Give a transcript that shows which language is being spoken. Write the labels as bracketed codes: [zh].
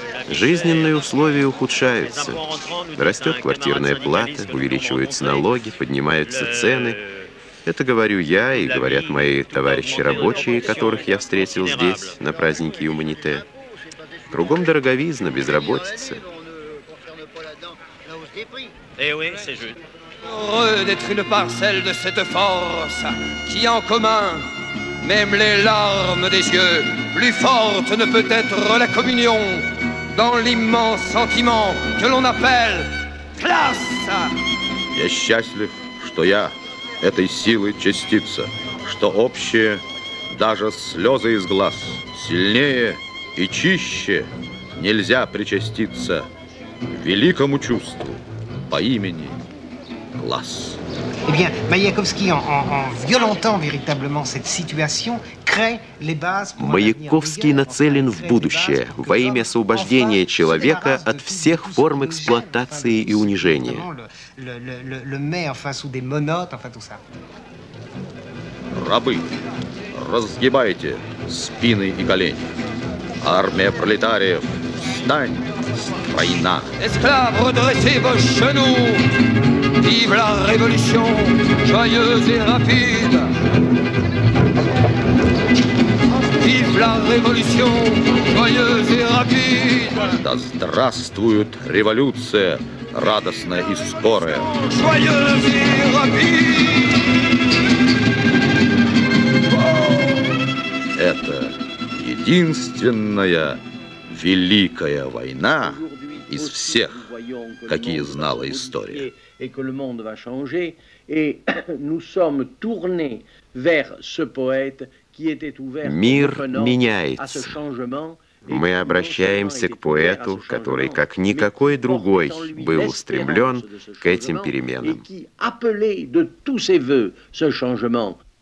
[ru] Жизненные условия ухудшаются. Растет квартирная плата, увеличиваются налоги, поднимаются цены. Это говорю я и говорят мои товарищи рабочие, которых я встретил здесь, на празднике Юманите. Кругом дороговизна, безработица. [fr] Heureux d'être une parcelle de cette force qui en commun, même les larmes des yeux, plus forte ne peut être la communion dans l'immense sentiment que l'on appelle classe. [ru] Я счастлив, что я этой силы частица, что общее даже слезы из глаз сильнее и чище нельзя причаститься великому чувству по имени класс. [fr] Eh bien, Маяковский, en violentant véritablement cette situation, crée les bases pour [ru] Маяковский нацелен в будущее во имя освобождения человека от всех форм эксплуатации и унижения. [fr] Le met enfin sous des menottes, enfin tout ça. [ru] Рабы, разгибайте спины и колени. Армия пролетариев, встань, война. [fr] Esclaves, redressez vos genoux. Vive la révolution, joyeuse et rapide. Vive la révolution, joyeuse et rapide. [ru] Да здравствует революция, радостная и скорая. [fr] Joyeuse et rapide. [ru] Это единственная великая война из всех, какие знала история. [fr] Et que le monde va changer, et nous sommes tournés vers ce poète qui était ouvert. [ru] Мир меняется. Мы обращаемся к поэту, который, как никакой другой, был устремлен к этим переменам. [fr] Qui appelait de tous ses voeux ce changement.